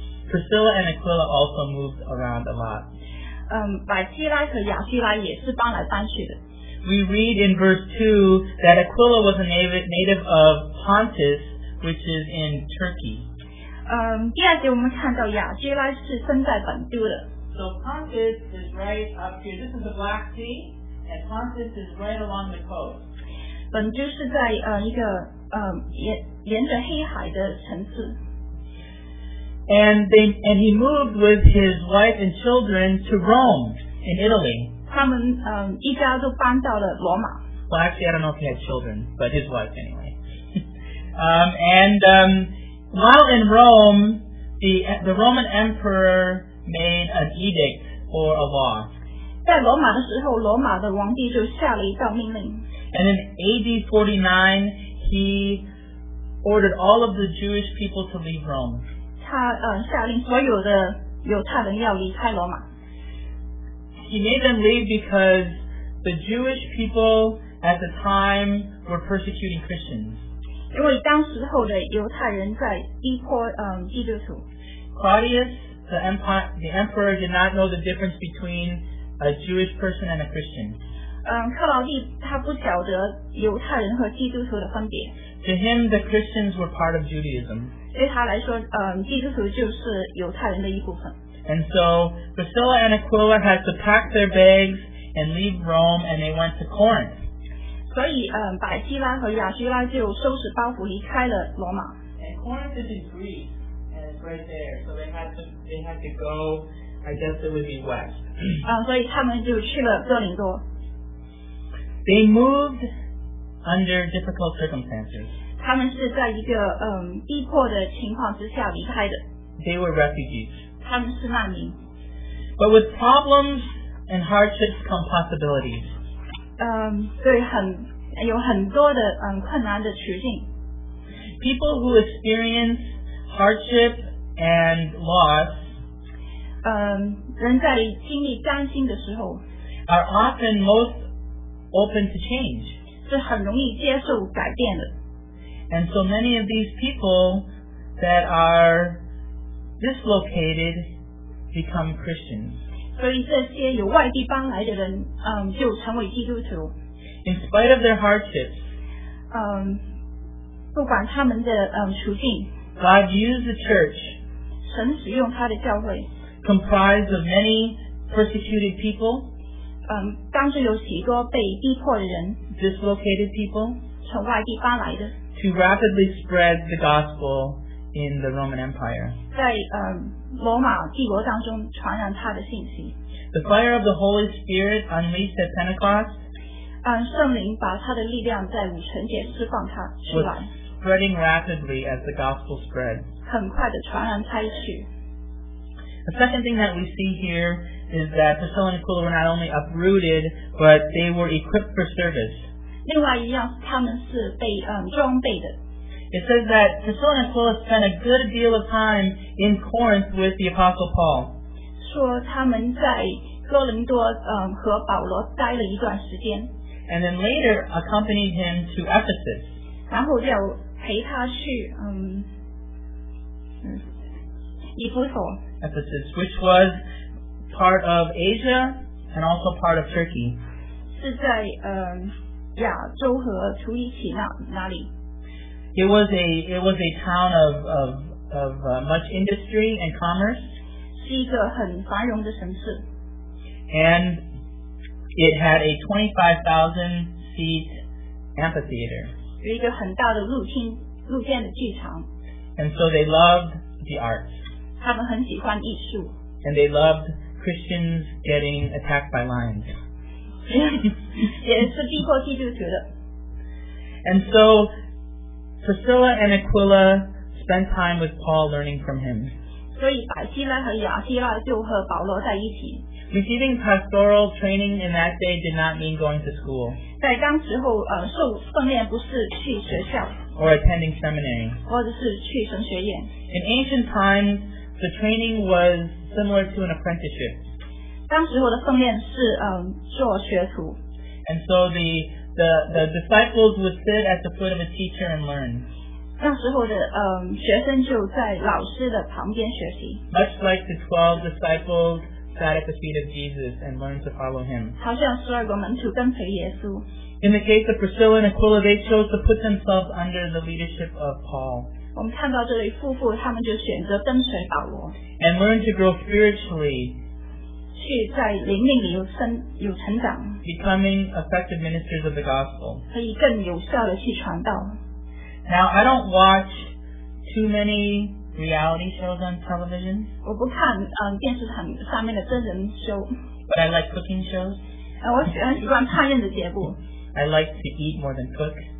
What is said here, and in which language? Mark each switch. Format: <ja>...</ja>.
<en>Priscilla and Aquila also moved around a lot.</en> <zh>百西拉和亚西拉也是搬来搬去的。</zh> <en>We read in verse 2 that Aquila was a native of Pontus, which is in Turkey.</en> <zh>第二节我们看到亚西拉是生在本都的。</zh> <en>So Pontus is right up here. This is the Black Sea, and Pontus is right along the coast.</en> <zh>本都是在一个沿着黑海的城市。</zh> <en>And he moved with his wife and children to Rome in Italy.</en> <zh>他们一家都搬到了罗马。</zh> <en>Well, actually, I don't know if he had children, but his wife anyway. and while in Rome, the Roman emperor made an edict or a law.</en> <zh>在罗马的时候，罗马的皇帝就下了一道命令。</zh> <en>And in AD 49, he ordered all of the Jewish people to leave Rome.</en> <zh>他下令所有的犹太人要离开罗马。</zh> <en>He made them leave because the Jewish people at the time were persecuting Christians.</en> <zh>因为当时候的犹太人在逼迫基督徒。</zh> <en>Claudius, the emperor, did not know the difference between a Jewish person and a Christian.</en> <zh>克劳蒂他不晓得犹太人和基督徒的分别。</zh> <en>To him, the Christians were part of Judaism.</en> <zh>对他来说，基督徒就是犹太人的一部分。</zh> <en>And so Priscilla and Aquila had to pack their bags and leave Rome, and they went to Corinth.</en> <zh>所以，百西拉和亚西拉就收拾包袱离开了罗马。</zh> <en>And Corinth is in Greece, and it's right there, so they had to go. I guess it would be west.</en> <zh>所以他们就去了哥林多。</zh> <en>They moved under difficult circumstances.</en> <zh>他们是在一个逼迫的情况之下离开的。</zh> <en>They were refugees.</en> <zh>他们是难民。</zh> <en>But with problems and hardships come possibilities.</en> <zh>对，有很多的困难的处境。</zh> <en>People who experience hardship and loss</en> <zh>人在经历担心的时候</zh> <en>are often most open to change.</en> <zh>是很容易接受改变的。</zh> <en>And so many of these people that are dislocated become Christians.</en> <zh>所以这些由外地搬来的人，就成为基督徒。</zh> <en>In spite of their hardships,</en> <zh>不管他们的处境，</zh> <en>God used the church,</en> <zh>神使用他的教会，</zh> <en>comprised of many persecuted people,</en> <zh>当时有许多被逼迫的人，</zh> <en>dislocated people,</en> <zh>从外地搬来的，</zh> <en>to rapidly spread the gospel in the Roman Empire.</en> <zh>在罗马帝国当中传染他的信息。</zh> <en>The fire of the Holy Spirit unleashed at Pentecost.</en> <zh>圣灵把他的力量在五旬节释放他出来</zh> <en>spreading rapidly as the gospel spread</en> <zh>很快地传染开去</zh> <en>The second thing that we see here is that Priscilla and Aquila were not only uprooted but they were equipped for service</en> <zh>另外一样他们是被装备的</zh> <en>It says that Priscilla and Aquila spent a good deal of time in Corinth with the Apostle Paul</en> <zh>说他们在哥林多和保罗待了一段时间</zh> <en>And then later accompanied him to Ephesus.</en> <zh>然后就陪他去以弗所</zh> <en>Ephesus, which was part of Asia and also part of Turkey.</en> <zh>是在亚洲和土耳其那里</zh> <en>It was a town of much industry and commerce.</en> <zh>是一个很繁荣的城市</zh> <en>And. It had a 25,000 seat amphitheater.</en> <zh>有一个很大的露天的剧场。</zh> <en>And so they loved the arts.</en> <zh>他们很喜欢艺术。</zh> <en>And they loved Christians getting attacked by lions.</en> <zh>也是逼迫基督徒的。</zh> <en>And so Priscilla and Aquila spent time with Paul learning from him.</en> <zh>所以百西拉和亚西拉就和保罗在一起。</zh> <en>Receiving pastoral training in that day did not mean going to school.</en> <zh>在当时候，受训练不是去学校。</zh> <en>Or attending seminary.</en> <zh>或者是去神学院。</zh> <en>In ancient times, the training was similar to an apprenticeship.</en> <zh>当时候的训练是做学徒。</zh> <en>And so the disciples would sit at the foot of a teacher and learn.</en> <zh>那时候的学生就在老师的旁边学习。</zh> <en>Much like the 12 disciples. Sat at the feet of Jesus and learned to follow him.</en> <zh>好像十二个门徒跟随耶稣。</zh> <en>In the case of Priscilla and Aquila, they chose to put themselves under the leadership of Paul.</en> <zh>我们看到这对夫妇，他们就选择跟随保罗。</zh> <en>And learned to grow spiritually.</en> <zh>去在灵命里有成长。</zh> <en>Becoming effective ministers of the gospel.</en> <zh>可以更有效地去传道。</zh> <en>Now, I don't watch too many. Reality shows on television.</en> <zh>我不看电视上面的真人秀。</zh> <en>But I like cooking shows.</en> <zh>我很喜欢烹饪的节目。</zh> <en>I like to eat more than cook.</en>